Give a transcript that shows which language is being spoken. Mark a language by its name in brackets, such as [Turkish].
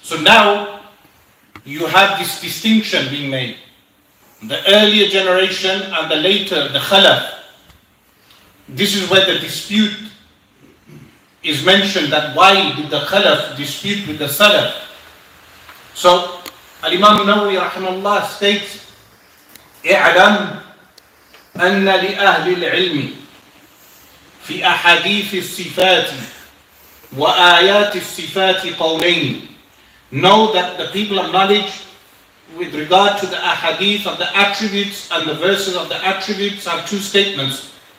[English] So now you have this distinction being made, the earlier generation and the later, the Khalaf. This is where the dispute is mentioned, that why did the Khalaf dispute with the Salaf? So Al-Imam Nawawi rahimahullah states, [Arabic] اعلم أن لأهل العلم في أحاديث الصفات وآيات الصفات قولين. [English] Know that the people of knowledge with regard to the ahadith of the attributes and the verses of the attributes are two statements.